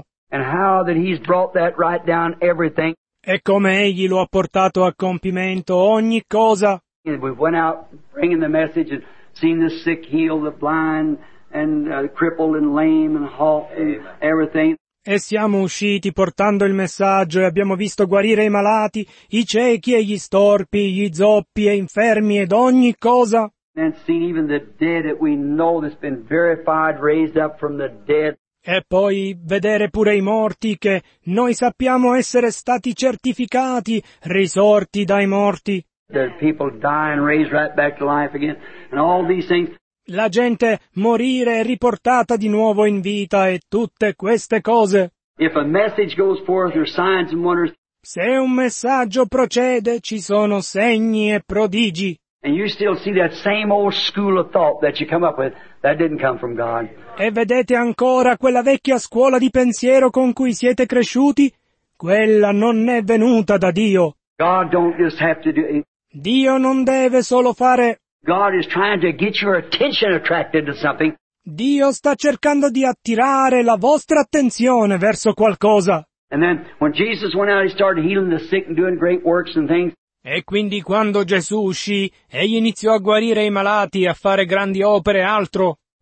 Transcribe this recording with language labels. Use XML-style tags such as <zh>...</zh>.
<en>And how that he's brought that right down everything.</en> <it>E come egli lo ha portato a compimento ogni cosa.</it> <en>And we went out bringing the message and seen the sick healed, the blind and crippled and lame and halt and everything.</en> <it>E siamo usciti portando il messaggio e abbiamo visto guarire i malati, i ciechi e gli storpi, gli zoppi e infermi ed ogni cosa.</it> <en>And seen even the dead that we know that's been verified, raised up from the dead.</en> <it>E poi vedere pure i morti che noi sappiamo essere stati certificati, risorti dai morti.</it> <en>The people die and raised right back to life again, and all these things.</en> <it>La gente morire e riportata di nuovo in vita e tutte queste cose.</it> <en>If a message goes forth, there are signs and wonders.</en> <it>Se un messaggio procede, ci sono segni e prodigi.</it> <en>And you still see that same old school of thought that you come up with that didn't come from God.</en> <it>E vedete ancora quella vecchia scuola di pensiero con cui siete cresciuti? Quella non è venuta da Dio.</it> <en>God don't just have to do it.</en> <it>Dio non deve solo fare.</it> <en>God is trying to get your attention attracted to something.</en> <it>Dio sta cercando di attirare la vostra attenzione verso qualcosa.</it> <en>And then when Jesus went out, he started healing the sick and doing great works and things.</en> <it>E quindi quando Gesù uscì, egli iniziò a guarire i malati, a fare grandi opere e altro.</it>